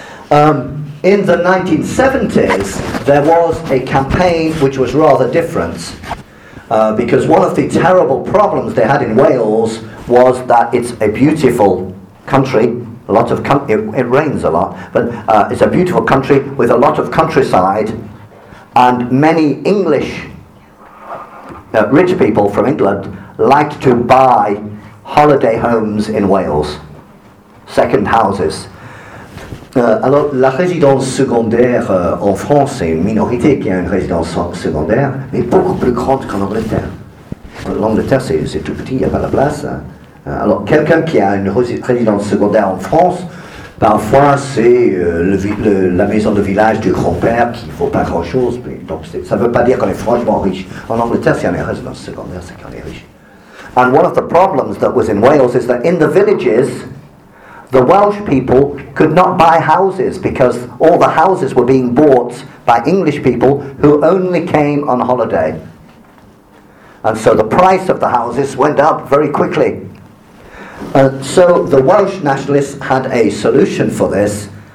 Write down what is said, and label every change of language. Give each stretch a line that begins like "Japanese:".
English: In the 1970s, there was a campaign which was rather different, because one of the terrible problems they had in Wales was that it's a beautiful country, it rains a lot, but it's a beautiful country with a lot of countryside, and many English rich people from England liked to buy holiday homes in Wales, second houses.
French: Alors, la résidence secondaire en France, c'est une minorité qui a une résidence secondaire, mais beaucoup plus grande qu'en Angleterre. L'Angleterre, c'est tout petit, il n'y a pas la place. Alors, quelqu'un qui a une résidence secondaire en France, parfois, c'est la maison de village du grand-père qui ne vaut pas grand-chose. Mais, donc, ça ne veut pas dire qu'on est franchement riche. En Angleterre, si on a une résidence secondaire, c'est qu'on est riche.
English: And one of the problems that was in Wales is that in the villages, the Welsh people could not buy houses because all the houses were being bought by English people who only came on holiday. And so the price of the houses went up very quickly. So the Welsh nationalists had a solution for this.